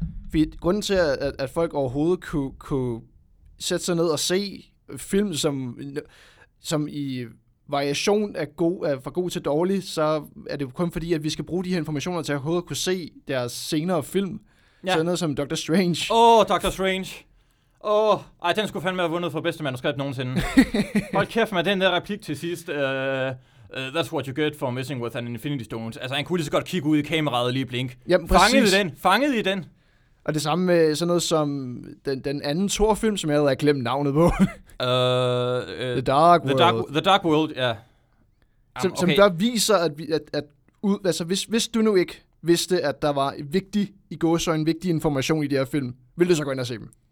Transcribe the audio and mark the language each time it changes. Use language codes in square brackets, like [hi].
[da] For grunden til, at folk overhovedet kunne sætte sig ned og se film, som i variation er god, er fra god til dårlig, så er det kun fordi, at vi skal bruge de her informationer til at overhovedet kunne se deres senere film. Ja. Sådan noget som Doctor Strange. Doctor Strange. Ej, den skulle fandme have vundet for bedste manuskript nogensinde. Hold kæft med den der replik til sidst. [en] That's what you get for missing with an Infinity Stones. [da] Altså, han kunne lige så godt kigge ud i kameraet lige blink. Jamen, Fanget i den. Og det samme med sådan noget som den anden Thor-film, som jeg havde glemt navnet på. [en] The Dark World. The Dark World, ja. [da] Som der viser, hvis du nu ikke vidste, at der var vigtig i gåsøjne, vigtig information i det her film, ville du så gå ind og se dem?